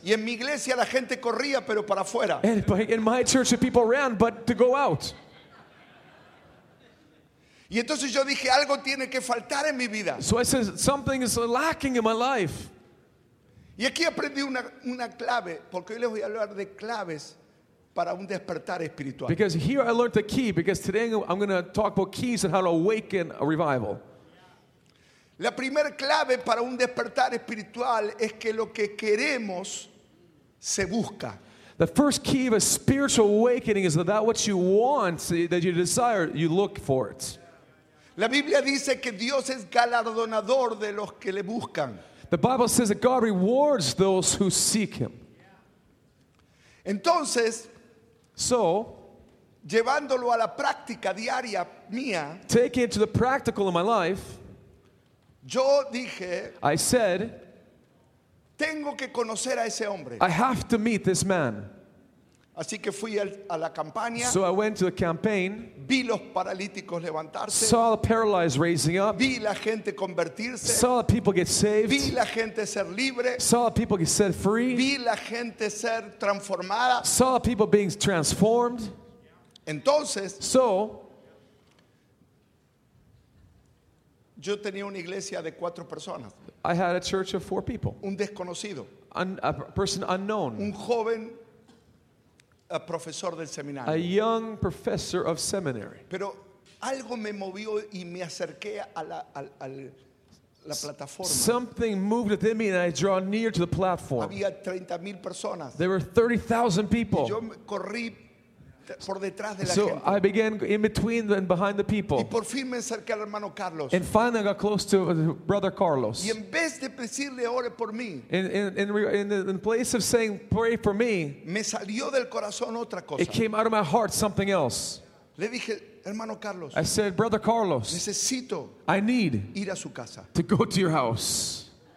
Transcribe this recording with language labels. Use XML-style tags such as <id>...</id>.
<es>Y en mi iglesia la gente corría pero para afuera.</es> <en>In my church the people ran but to go out.</en> <es>Y entonces yo dije, algo tiene que faltar en mi vida.</es> <en>So I said, something is lacking in my life.</en> <es>Y aquí aprendí una clave, porque hoy les voy a hablar de claves para un despertar espiritual.</es> <en>Because here I learned the key, because today I'm going to talk about keys and how to awaken a revival.</en> <es>La primera clave para un despertar espiritual es que lo que queremos se busca.</es> <en>The first key of a spiritual awakening is that what you want, that you desire, you look for it.</en> <es>La Biblia dice que Dios es galardonador de los que le buscan.</es> <en>The Bible says that God rewards those who seek him.</en> <es>Entonces,</es> <en>so,</en> <es>llevándolo a la práctica diaria mía,</es> <en>taking it to the practical in my life,</en> <es>yo dije,</es> <en>I said,</en> <es>tengo que conocer a ese hombre.</es> <en>I have to meet this man.</en> <es>Así que fui a la campaña.</es> <en>So I went to the campaign.</en> <es>Vi los paralíticos levantarse.</es> <en>Saw the paralyzed raising up.</en> <es>Vi la gente convertirse.</es> <en>Saw the people get saved.</en> <es>Vi la gente ser libre.</es> <en>Saw the people get set free.</en> <es>Vi la gente ser transformada.</es> <en>Saw the people being transformed.</en> <es>Entonces,</es> <en>so,</en> <es>yo tenía una iglesia de cuatro personas.</es> <en>I had a church of four people.</en> <es>Un desconocido.</es> <en>A person unknown.</en> <es>Un joven profesor del seminario.</es> <en>A young professor of seminary.</en> <es>Pero algo me movió y me acerqué a la plataforma.</es> <en>Something moved within me and I draw near to the platform.</en> <es>Había 30,000 personas.</es> <en>There were 30,000 people.</en> <es>Y yo corrí por detrás de la</es> <en>so</en> <es>gente.</es> <en>I began in between and behind the people.</en> <es>Y por fin me acerqué al hermano Carlos.</es> <en>And finally I got close to brother Carlos.</en> <es>Y en vez de decirle ore por mí,</es> <en>in place of saying pray for me,</en> <es>me salió del corazón otra cosa.</es> <en>It came out of my heart something else.</en> <es>Le dije, hermano Carlos,</es> <en>I said, brother Carlos,</en> <es>necesito,</es> <en>I need</en> <es>ir a su casa,</es> <en>to go to your house,</en>